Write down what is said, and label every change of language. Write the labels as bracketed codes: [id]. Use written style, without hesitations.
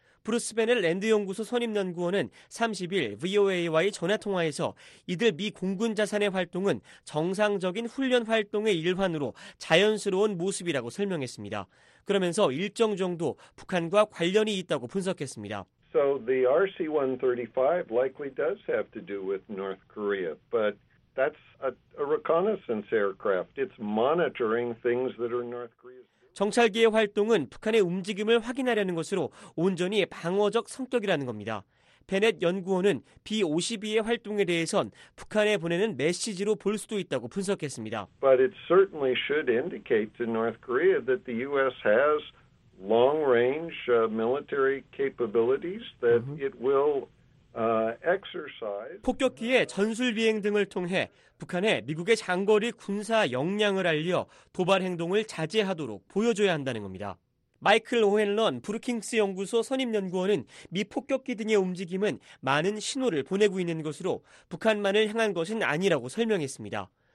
[ko] 브루스 베넬 랜드연구소 선임연구원은 30일 VOA와의 전화통화에서 이들 미 공군 자산의 활동은 정상적인 훈련 활동의 일환으로 자연스러운 모습이라고 설명했습니다. 그러면서 일정 정도 북한과 관련이 있다고 분석했습니다. [en] So the RC-135 likely does have to do with North Korea, but that's a reconnaissance aircraft. It's monitoring things that are North Korea's. [ko] 정찰기의 활동은 북한의 움직임을 확인하려는 것으로 온전히 방어적 성격이라는 겁니다. 베넷 연구원은 B-52의 활동에 대해선 북한에 보내는 메시지로 볼 수도 있다고 분석했습니다. [en] But it certainly should indicate to North Korea that the U.S. has long-range military capabilities that it will exercise. [ko] 폭격기의 전술 비행 등을 통해 북한에 미국의 장거리 군사 역량을 알려 도발 행동을 자제하도록 보여줘야 한다는 겁니다. 마이클 오헨런 브루킹스 연구소 선임연구원은 미 폭격기 등의 움직임은 많은 신호를 보내고 있는 것으로 북한만을 향한 것은 아니라고 설명했습니다.